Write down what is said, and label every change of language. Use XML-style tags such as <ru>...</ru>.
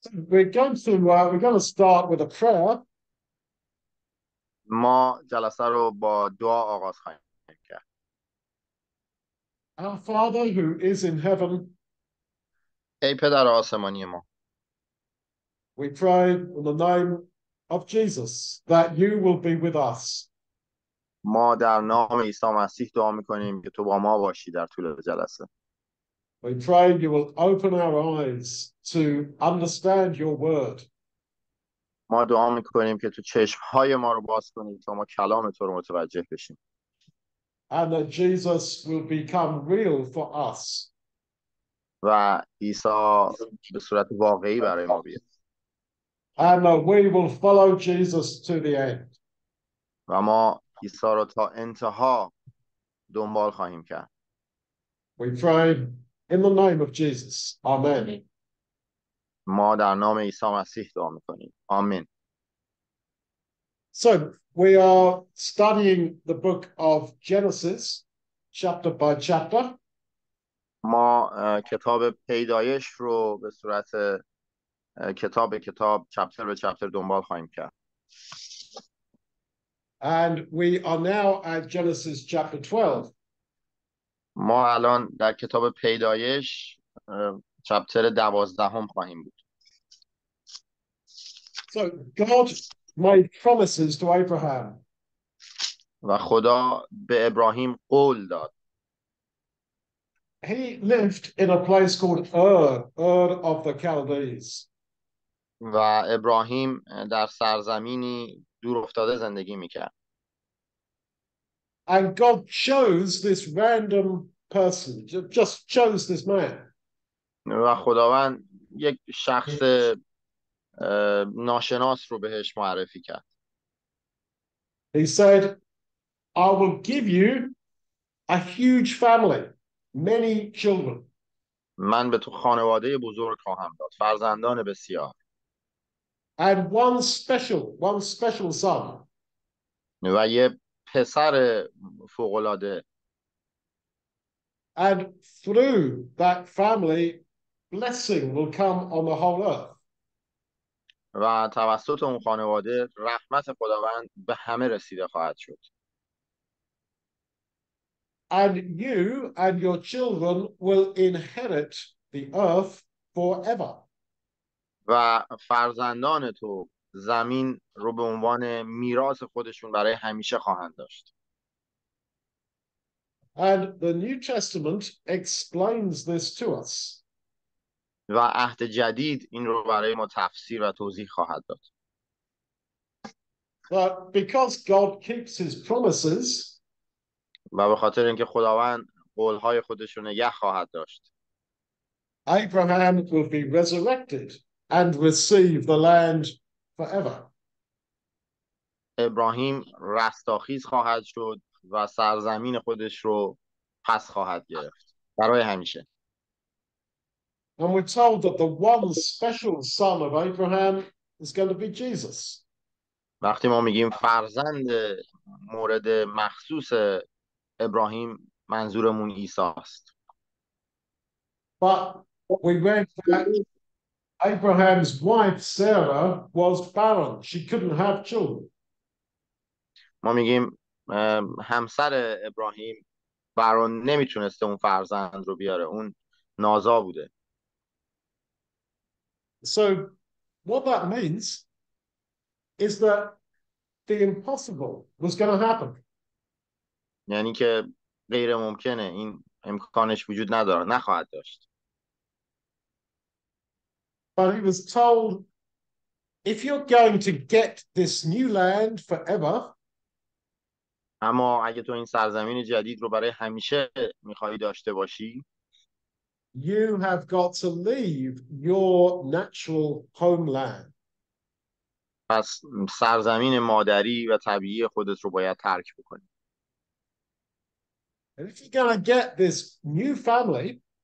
<en>We're going to start with a prayer.</en> <fa>ما جلسه رو با دعا آغاز خواهیم کرد.</fa> <en>Our Father who is in heaven,</en> <fa>ای پدر آسمانی ما،</fa> <en>we pray in the name of Jesus that you will be with us.</en> <fa>ما در نام عیسی مسیح دعا می‌کنیم که تو با ما باشی در طول جلسه.</fa> <en>We pray you will open our eyes to understand your word.</en> <fa>ما دعا می‌کنیم که تو چشم‌های ما رو باز کنی تا ما کلام تو رو متوجه بشیم.</fa> <en>And that Jesus will become real for us.</en> <fa>و عیسی به صورت واقعی برای ما بیاد.</fa> <en>And that we will follow Jesus to the end.</en> <fa>و ما عیسی رو تا انتها دنبال خواهیم کرد.</fa> <en>We pray in the name of Jesus. Amen.</en> <fa>ما در نام عیسی مسیح دعا می‌کنیم. آمین.</fa> <en>So, we are studying the book of Genesis, chapter by chapter.</en> <fa>ما کتاب پیدایش رو به صورت کتاب به کتاب، چپتر به چپتر دنبال خواهیم کرد.</fa> <en>And we are now at Genesis chapter 12.</en> <fa>ما الان در کتاب پیدایش چپتر 12 خواهیم بود.</fa> <en>So God made promises to Abraham.</en> <fa>و خدا به ابراهیم قول داد.</fa> <en>He lived in a place called Ur of the Chaldees.</en> <fa>و ابراهیم در سرزمینی دور افتاده زندگی میکرد.</fa> <en>And God chose this random person, just chose this man.</en> <fa>و خداوند یک شخص ناشناس رو بهش معرفی کرد.</fa> <en>He said, I will give you a huge family, many children.</en> <fa>من به تو خانواده بزرگ خواهم داد، فرزندان بسیار.</fa> <en>And one special son.</en> <fa>و یه پسر فوق‌العاده.</fa> <en>And through that family, blessing will come on the whole earth.</en> <fa>و توسط اون خانواده رحمت خداوند به همه رسیده خواهد شد.</fa> <en>And you and your children will inherit the earth forever.</en> <fa>و فرزندان تو زمین رو به عنوان میراث خودشون برای همیشه خواهند داشت.</fa> <en>And the New Testament explains this to us.</en> <fa>و عهد جدید این رو برای ما تفسیر و توضیح خواهد داد.</fa> <en>But because God keeps his promises,</en> <fa>و به خاطر اینکه خداوند قول‌های خودش رو نگه خواهد داشت.</fa> <en>Abraham will be resurrected and receive the land forever.</en> <fa>ابراهیم رستاخیز خواهد شد و سرزمین خودش رو پس خواهد گرفت برای همیشه.</fa> <en>And we're told that the one special son of Abraham is going to be Jesus.</en> <fa>وقتی ما میگیم فرزند مورد مخصوص ابراهیم، منظورمون عیسی است.</fa> <en>But we read that Abraham's wife Sarah was barren. She couldn't have children.</en> <fa>ما میگیم همسر ابراهیم بارون نمیتونسته اون فرزند رو بیاره، اون نازا بوده.</fa> <en>So what that means is that the impossible was going to happen.</en> <fa>یعنی که غیر ممکنه، این امکانش وجود نداره، نخواهد داشت.</fa> <en>But he was told, if you're going to get this new land forever,</en> <fa>اما اگه تو این سرزمین جدید رو برای همیشه میخوایی داشته باشی،</fa> <en>you have got to leave your natural homeland.</en> <fa>پس سرزمین مادری و طبیعی خودت رو باید ترک بکنی.</fa> <en>And if you're going to get this new family,</en>